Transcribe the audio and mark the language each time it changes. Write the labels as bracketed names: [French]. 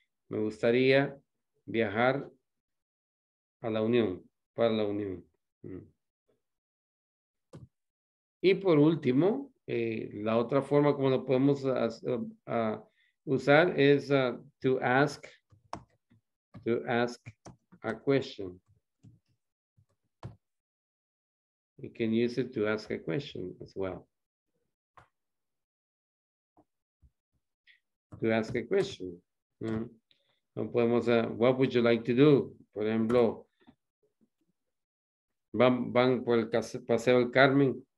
[Spanish] Me gustaría viajar a la Unión, para la Unión. Y por último, la otra forma como lo podemos usar es [English] to ask a question. You can use it to ask a question as well. To ask a question. [Spanish] No podemos, [English] what would you like to do? [Spanish] Por ejemplo, van por el Paseo del Carmen.